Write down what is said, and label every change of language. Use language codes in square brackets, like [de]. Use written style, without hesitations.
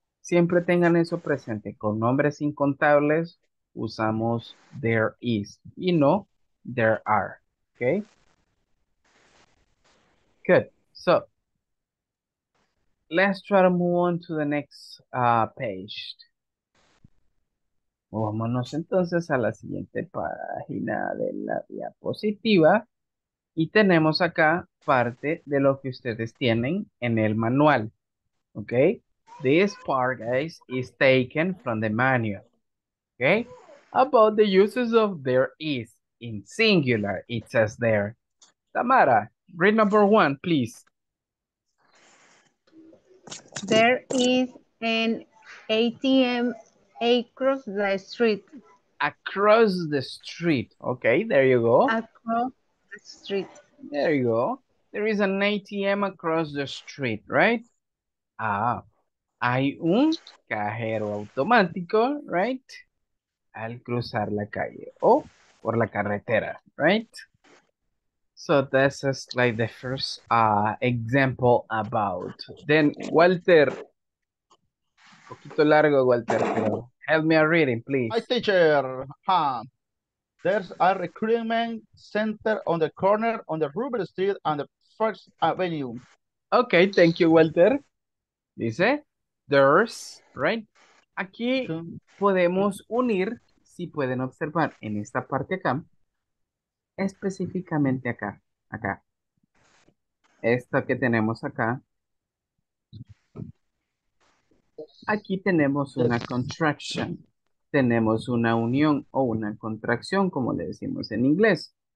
[es] Siempre tengan eso presente. Con nombres incontables, usamos there is. Y no, there are. Okay? [en] Good. So, let's try to move on to the next page. [es] Vámonos entonces a la siguiente página de la diapositiva. Y tenemos acá parte de lo que ustedes tienen en el manual. [en] Okay? This part, guys, is taken from the manual. Okay? About the uses of there is. In singular, it says there. Tamara, read number one, please. There is an ATM across the street. Across the street. Okay, there you go. Across the street. There you go. There is an ATM across the street, right? [es] Ah, hay un cajero automático, [en] right? [es] Al cruzar la calle o por la carretera, right? [en] So this is like the first example about. Then Walter, [es] poquito largo [en] Walter, pero help me a reading, please. Hi teacher, there's a recruitment center on the corner on the Ruben Street and the First Avenue. Okay, thank you Walter. Dice, there's, right? [es] Aquí podemos unir, si pueden observar en esta parte acá, específicamente acá. Acá, esto que tenemos acá, aquí tenemos una contraction, tenemos una unión o una contracción, como le decimos en inglés.